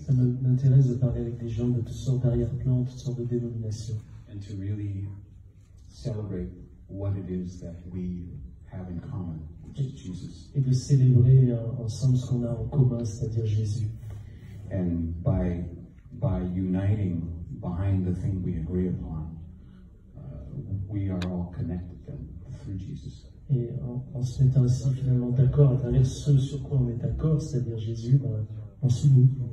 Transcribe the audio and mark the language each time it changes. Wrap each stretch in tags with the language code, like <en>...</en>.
<fr>Ça m'intéresse de parler avec des gens de toutes sortes d'arrière-plans, toutes sortes de dénominations.</fr> <en>And to really celebrate what it is that we have in common.</en> <fr>Et de célébrer ensemble ce qu'on a en commun, c'est-à-dire Jésus.</fr> <en>And by uniting behind the thing we agree upon, we are all connected through Jesus.</en> <fr>Et en se mettant ainsi finalement d'accord à travers ce sur quoi on est d'accord, c'est-à-dire Jésus, on s'unit.</fr>